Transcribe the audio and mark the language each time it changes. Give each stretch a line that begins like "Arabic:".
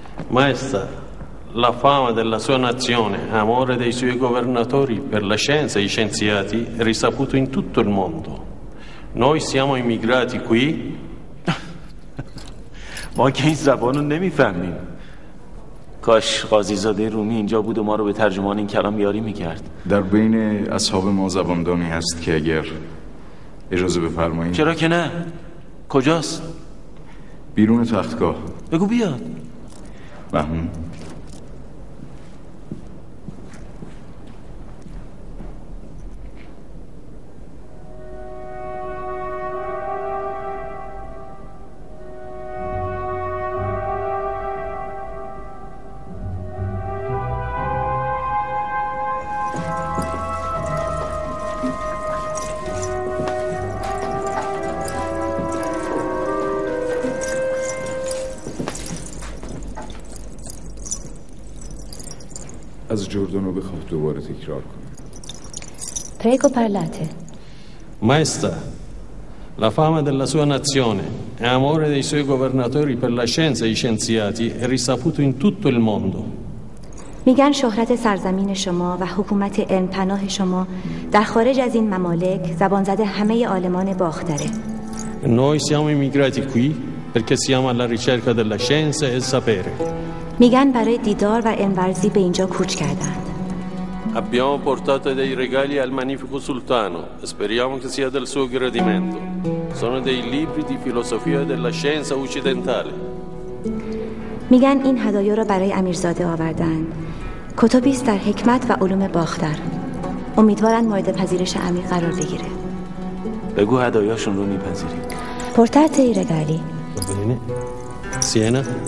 Italian: maestra, la fama della sua nazione, amore dei suoi governatori per la scienza e i scienziati è risaputo in tutto il mondo. Noi siamo immigrati qui.
Persian: ما که این زبان رو نمیفهمیم. کاش قاضی زاده رومی اینجا بود و ما رو به ترجمان این کلام یاری میکرد. در بین اصحاب ما زباندانی هست که اگر اجازه بفرمایید. چرا که نه؟ کجاست؟ بیرون تختگاه. بگو بیاد. مهمون. از جردانو بخواه دوباره تکرار کنه.
Italian: Prego parlate. Maestra, la fama della sua nazione e amore dei suoi governatori per la scienza e i scienziati è risaputo in tutto il mondo.
Persian: میگن شهرت سرزمین شما و حکومت علم پناه شما در خارج از این ممالک زبان زده همه عالمان باختره.
Italian: Noi siamo immigrati qui perché siamo alla ricerca della scienza e sapere.
Persian: میگن برای دیدار و انورزی به اینجا کوچ کردند.
Italian: Abbiamo portato dei regali al magnifico sultano. Speriamo che sia del suo gradimento. Sono dei libri di filosofia della scienza occidentale.
Persian: میگن این هدایا را برای امیرزاده آوردن. کتابی است در حکمت و علوم باختر. امیدوارن مورد پذیرش امیر قرار بگیره. بگو هدایاشون رو میپذیریم.
Italian: Portate i regali. Bene. Siena.